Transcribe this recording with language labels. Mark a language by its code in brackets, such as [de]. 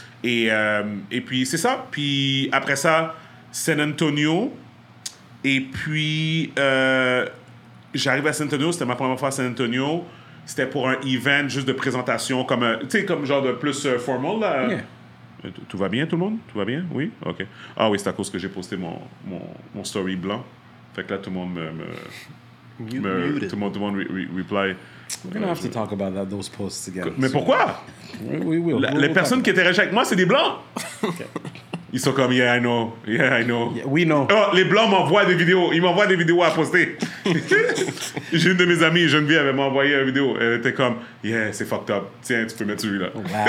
[fr] Et puis c'est ça, puis après ça San Antonio, et puis j'arrive à San Antonio, c'était ma première fois à San Antonio, c'était pour un event juste de présentation, comme tu sais, comme genre de plus formal là. Tout va bien, tout le monde, tout va bien? Oui, ok. Ah oui, c'est à cause que j'ai posté mon story blanc. Fait que là, tout le monde me [en] muted. [fr] Tout le monde reply. [en] We're gonna have to talk about that, those posts together. [fr] Mais pourquoi? [en] We will. [fr] Les personnes qui étaient rejetées avec moi, c'est des blancs. [en] Okay. [fr] Ils sont comme, [en] yeah, I know. Yeah, I know. Yeah, we know. [fr] Oh, les blancs m'envoient des vidéos. Ils m'envoient des vidéos à poster. J'ai une de mes amies, Geneviève, elle m'a envoyé une vidéo. Elle était comme, yeah, c'est fucked up. Tiens, tu peux mettre celui-là. Wow.